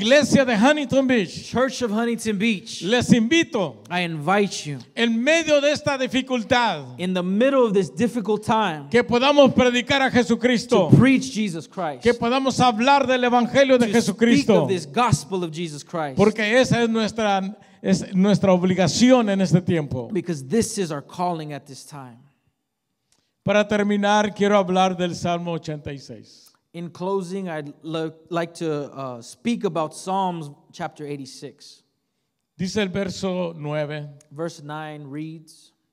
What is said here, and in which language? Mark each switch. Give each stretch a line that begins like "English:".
Spanish: Iglesia de Huntington Beach.
English: Church of Huntington Beach.
Spanish: Les invito.
English: I invite you.
Spanish: En medio de esta dificultad.
English: In the middle of this difficult time.
Spanish: Que podamos predicar a Jesucristo.
English: To preach Jesus Christ.
Spanish: Que podamos hablar del Evangelio de Jesucristo.
English: To speak of this gospel of Jesus Christ.
Spanish: Porque esa es nuestra obligación en este tiempo.
English: Because this is our calling at this time.
Spanish: Para terminar, quiero hablar del Salmo 86.
English: In closing, I'd like to speak about Psalms chapter 86.
Spanish: Dice el verso 9.
English: Verse 9 reads,